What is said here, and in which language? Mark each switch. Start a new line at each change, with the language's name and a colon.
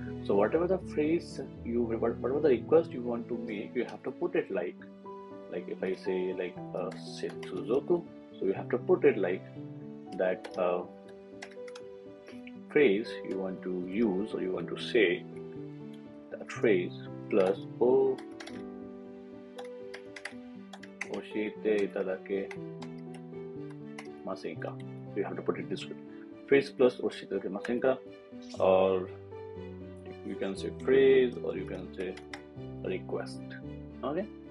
English: So whatever the phrase you, whatever the request you want to make, you have to put it like if I say like Setsuzoku, so you have to put it like that phrase you want to use or you want to say that phrase plus O.
Japanese: 教えていただけませんか。
English: You have to put it this way. Phrase plus
Japanese: 教えていただけませんか。
English: Or you can say phrase or you can say request. Okay?